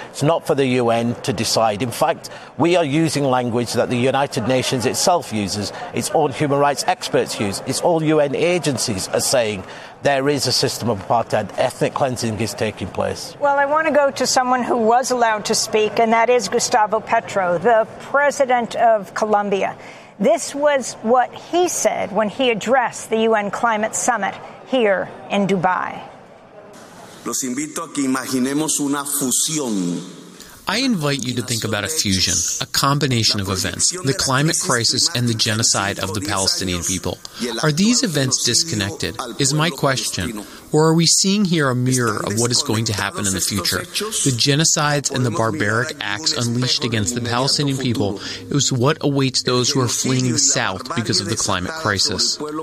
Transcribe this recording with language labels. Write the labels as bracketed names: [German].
[English] It's not for the UN to decide. In fact, we are using language that the United Nations itself uses, its own human rights experts use, its all UN agencies are saying there is a system of apartheid, ethnic cleansing is taking place. Well, I want to go to someone who was allowed to speak, and that is Gustavo Petro, the president of Colombia. This was what he said when he addressed the UN climate summit here in Dubai. [Spanish] Los invito a que imaginemos una fusión. [English] I invite you to think about a fusion, a combination of events, the climate crisis and the genocide of the Palestinian people. Are these events disconnected, is my question, or are we seeing here a mirror of what is going to happen in the future? The genocides and the barbaric acts unleashed against the Palestinian people is what awaits those who are fleeing the south because of the climate crisis.